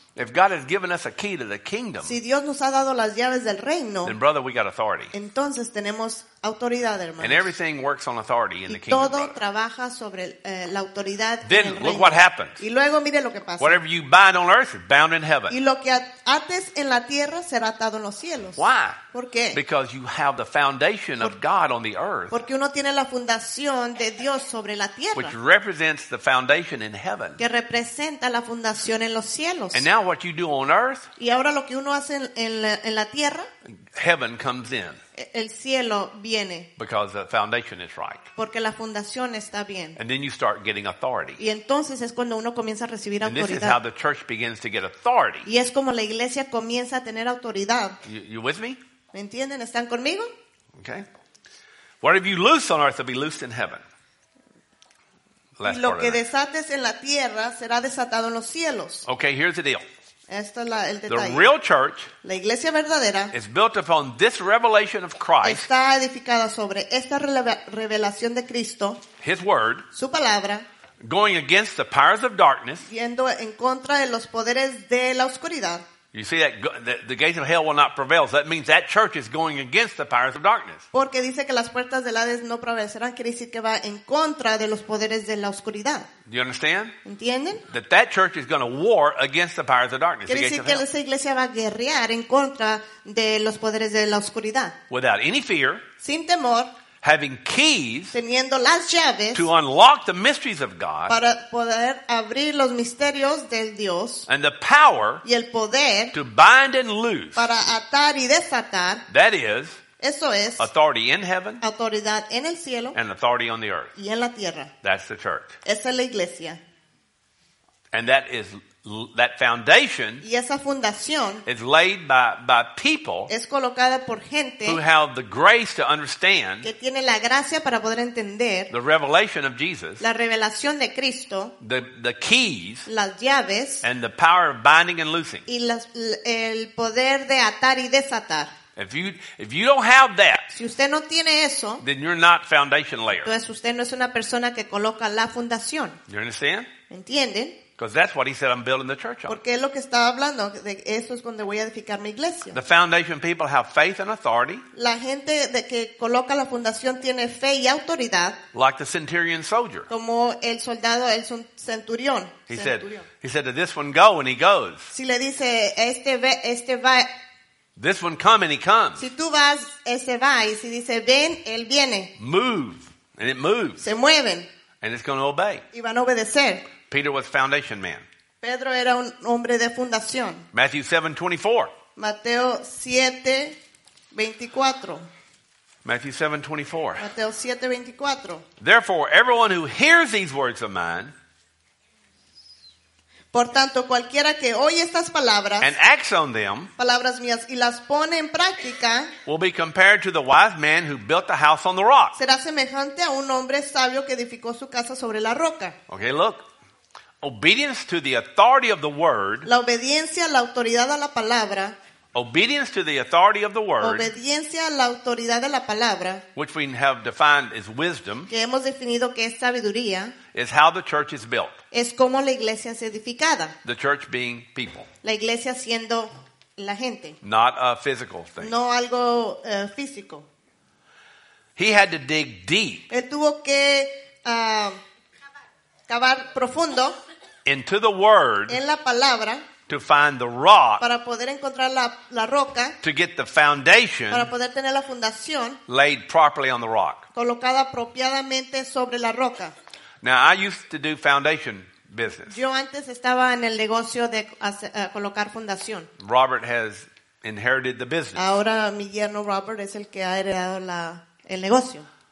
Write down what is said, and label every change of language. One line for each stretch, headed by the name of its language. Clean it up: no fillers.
English: If God has given us a key to the kingdom,
Spanish: si Dios nos ha dado las llaves del reino,
English: then brother, we got authority.
Spanish: Entonces tenemos autoridad, hermanos.
English: And everything works on authority in
Spanish: y
English: the kingdom.
Spanish: Todo
English: brother.
Spanish: Trabaja sobre la autoridad
English: then
Spanish: en el
English: look
Spanish: reino.
English: What happens.
Spanish: Y luego mire lo que pasa.
English: Whatever you bind on earth is bound in heaven.
Spanish: Y lo que ates en la tierra será atado en los cielos.
English: Why?
Spanish: ¿Por qué?
English: Because you have the foundation of God on the earth.
Spanish: Porque uno tiene la fundación de Dios sobre la tierra.
English: Which represents the foundation in heaven.
Spanish: Que representa la fundación en los cielos.
English: And now what you do on earth,
Spanish: y ahora lo que uno hace en la tierra,
English: heaven comes in.
Spanish: El cielo viene.
English: Because the foundation is right.
Spanish: Porque la fundación está bien.
English: And then you start getting authority.
Spanish: Y entonces es cuando uno comienza a recibir
English: and
Spanish: autoridad.
English: This is how the church begins to get authority.
Spanish: Y es como la iglesia comienza a tener autoridad.
English: You with me?
Spanish: ¿Me entienden? ¿Están conmigo?
English: Okay. Whatever you loose on earth will be loosed in heaven. Last
Spanish: lo que desates en la tierra será desatado en los cielos.
English: Okay, here's the deal.
Spanish: Esto es el detalle.
English: The real church,
Spanish: la iglesia verdadera,
English: is built upon this revelation of Christ.
Spanish: Está edificada sobre esta revelación de Cristo.
English: His word,
Spanish: su palabra,
English: going against the powers of darkness,
Spanish: yendo en contra de los poderes de la oscuridad.
English: You see that the gates of hell will not prevail. So that means that church is going against the powers of darkness.
Spanish: Porque dice que las puertas del Hades no prevalecerán, quiere decir que va en contra de los poderes de la oscuridad.
English: Do you understand?
Spanish: ¿Entienden?
English: That church is going to war against the powers of darkness.
Spanish: Quiere decir que esa iglesia va a guerrear en contra de los poderes de la oscuridad.
English: Without any fear.
Spanish: Sin temor.
English: having keys,
Spanish: teniendo las llaves,
English: to unlock the mysteries of God,
Spanish: para poder abrir los misterios del Dios,
English: and the power,
Spanish: y el poder,
English: to bind and loose,
Spanish: para atar y desatar,
English: that is,
Spanish: eso es,
English: authority in heaven,
Spanish: autoridad en el cielo,
English: and authority on the earth,
Spanish: y en la tierra.
English: That's the church.
Spanish: Esa es la iglesia.
English: And that is that foundation,
Spanish: y esa fundación,
English: is laid by people,
Spanish: es colocada por gente,
English: who have the grace to understand,
Spanish: que tiene la gracia para poder entender,
English: the revelation of Jesus,
Spanish: la revelación de Cristo,
English: the keys,
Spanish: las llaves,
English: and the power of binding and loosing,
Spanish: y el poder de atar y desatar.
English: If you don't have that,
Spanish: si usted no tiene eso,
English: then you're not foundation layer.
Spanish: Entonces usted no es una persona que coloca la fundación.
English: You understand?
Spanish: ¿Entienden?
English: Because that's what he said I'm building the church on.
Spanish: Porque es lo que estaba hablando, de eso es donde voy a edificar mi iglesia.
English: The foundation people have faith and authority.
Spanish: La gente de que coloca la fundación tiene fe y autoridad.
English: Like the centurion soldier.
Spanish: Como el soldado, el centurión.
English: He said to this one, go, and he goes.
Spanish: Si le dice, este va.
English: This one, come, and he comes.
Spanish: Si tú vas, este va, y si dice, ven, él viene.
English: Move, and it moves.
Spanish: Se mueven.
English: And it's going to obey.
Spanish: Y van a obedecer.
English: Peter was foundation man.
Spanish: Pedro era un hombre de fundación.
English: Matthew 7:24.
Spanish: Mateo 7:24.
English: Matthew 7:24.
Spanish: Mateo 7:24.
English: Therefore, everyone who hears these words of mine.
Spanish: Por tanto, cualquiera que oye estas palabras.
English: And acts on them.
Spanish: Palabras mías y las pone en práctica.
English: Will be compared to the wise man who built the house on the rock.
Spanish: Será semejante a un hombre sabio que edificó su casa sobre la roca.
English: Okay, look. Obedience to the authority of the word.
Spanish: La obediencia a la autoridad de la palabra.
English: Obedience to the authority of the word.
Spanish: Obediencia a la autoridad de la palabra.
English: Which we have defined as wisdom.
Spanish: Que hemos definido que es sabiduría.
English: Is how the church is built.
Spanish: Es como la iglesia es edificada.
English: The church being people.
Spanish: La iglesia siendo la gente.
English: Not a physical thing.
Spanish: No algo físico.
English: He had to dig deep.
Spanish: Él tuvo que cavar profundo
English: into the word,
Spanish: en la palabra,
English: to find the rock,
Spanish: para poder encontrar la roca,
English: to get the foundation,
Spanish: para poder tener la fundación,
English: laid properly on the rock,
Spanish: colocada apropiadamente sobre la roca.
English: Now I used to do foundation business.
Spanish: Yo antes estaba en el negocio de colocar fundación.
English: Robert has inherited the business.
Spanish: Ahora mi yerno Robert es el que ha heredado el negocio.